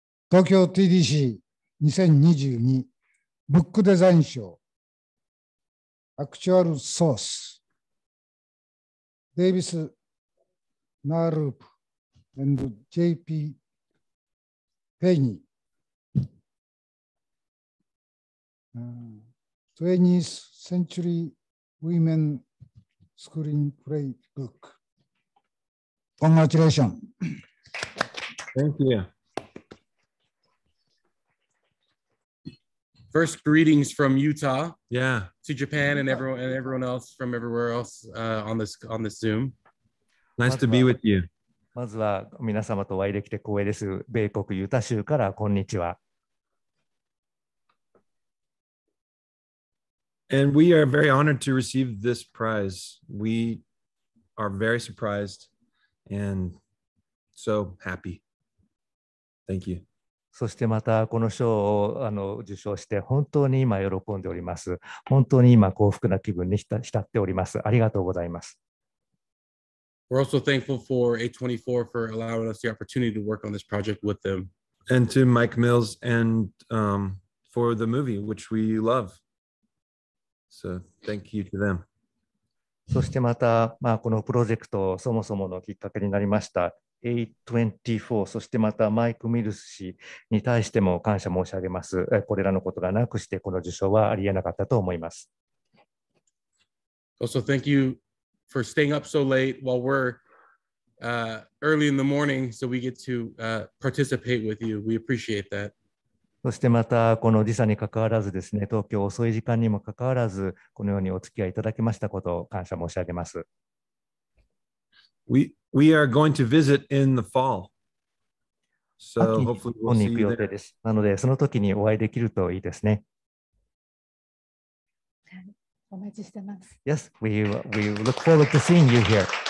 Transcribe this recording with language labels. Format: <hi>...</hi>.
<ja>東京 TDC 2022ブックデザイン賞、アクチュアルソース、デイビス・ナーループ &JP ・ヘイニー、 20th Century Women Screen Playbook.</ja> <en>Congratulations. Thank you. First greetings from Utah, yeah, to Japan and everyone else from everywhere else、on this Zoom. Nice to be with you.</en> <ja>まずは皆様とお会いできて光栄です。米国ユタ州からこんにちは。</ja> <en>And we are very honored to receive this prize. We are very surprised and so happy. Thank you.</en> <ja>そしてまたこの賞を受賞して本当に今喜んでおります。本当に今幸福な気分に浸っております。ありがとうございます。</ja> <en>We're also thankful for A24 for allowing us the opportunity to work on this project with them. And to Mike Mills and、for the movie, which we love. So thank you to them.</en> <ja>そしてまた、まあ、このプロジェクトそもそものきっかけになりました。 A24、 そしてまたマイク・ミルス氏に対しても感謝申し上げます。これらのことがなくしてこの受賞はありえなかったと思います。</ja> <en>Also thank you for staying up so late while we're、early in the morning so we get to、participate with you. We appreciate that.</en> <ja>そしてまたこの時差にかかわらずですね、東京遅い時間にもかかわらずこのようにお付き合いいただけましたことを感謝申し上げます。</ja> <en>We are going to visit in the fall. So hopefully we'll see</en> <ja>なのでその時にお会いできるといいですね。お待ちしてます。</ja> <en>Yes, we look forward to seeing you here.</en>